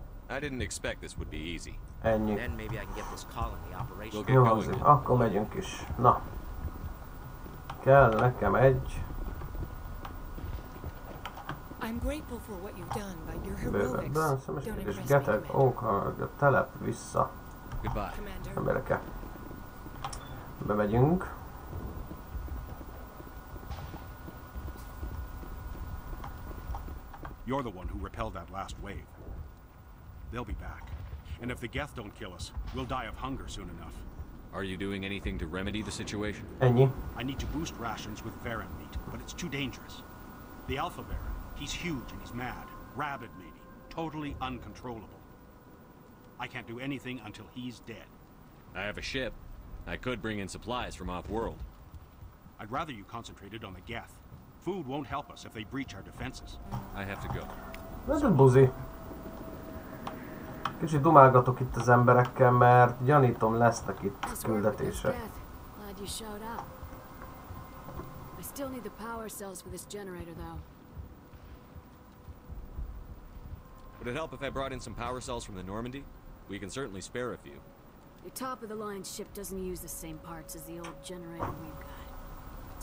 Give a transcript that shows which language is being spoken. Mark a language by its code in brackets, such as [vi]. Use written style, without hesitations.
[en] I didn't expect this would be easy. [hu] Ennyi. [en] Then maybe I can get this colony operation. We'll get going. [hu] Akkor megyünk is. Na. Kell nekem egy. [en] I'm grateful for what you've done, but your heroics don't impress me. [hu] Getek, okay, a telep vissza. [en] Goodbye. [hu] Nem érke. Bemegyünk. [en] You're the one who repelled that last wave. They'll be back. And if the Geth don't kill us, we'll die of hunger soon enough. Are you doing anything to remedy the situation? [hu] Ennyi. [en] I need to boost rations with Varan meat, but it's too dangerous. The Alpha Varan, he's huge and he's mad. Rabid, maybe. Totally uncontrollable. I can't do anything until he's dead. I have a ship. I could bring in supplies from off-world. I'd rather you concentrated on the Geth. Food won't help us if they breach our defenses. I have to go. [hu] Ez a buzi. Kicsit dumálgatok itt az emberekkel, mert gyanítom, lesznek itt küldetések. [en] Glad you showed up. I still need the power cells for this generator, though. Would it help if I brought in some power cells from the Normandy? We can certainly spare a few. Your top of the line ship doesn't use the same parts as the old generator we've got.